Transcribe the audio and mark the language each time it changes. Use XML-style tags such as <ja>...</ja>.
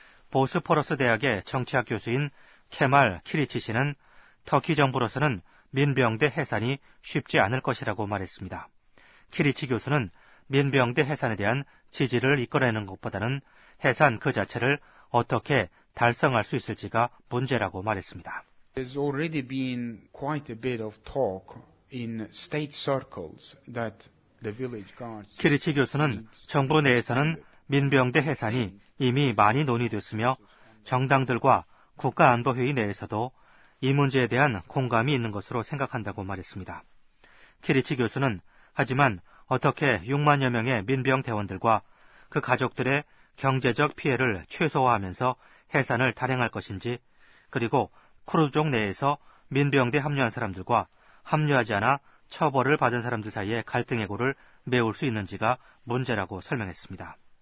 <ko>보스포러스 대학의 정치학 교수인 케말 키리치 씨는 터키 정부로서는 민병대 해산이 쉽지 않을 것이라고 말했습니다. 키리치 교수는 민병대 해산에 대한 지지를 이끌어내는 것보다는 해산 그 자체를 어떻게 달성할 수 있을지가 문제라고 말했습니다.</ko> <en>There's already been quite a bit of talk in state circles that the village guards.</en> <ko>키리치 교수는 정부 내에서는 민병대 해산이 이미 많이 논의됐으며 정당들과 국가안보회의 내에서도 이 문제에 대한 공감이 있는 것으로 생각한다고 말했습니다. 키리치 교수는 하지만 어떻게 6만여 명의 민병 대원들과 그 가족들의 경제적 피해를 최소화하면서 해산을 단행할 것인지 그리고 쿠르드족 내에서 민병대 합류한 사람들과 합류하지 않아 처벌을 받은 사람들 사이의 갈등의 골을 메울 수 있는지가 문제라고 설명했습니다.</ko>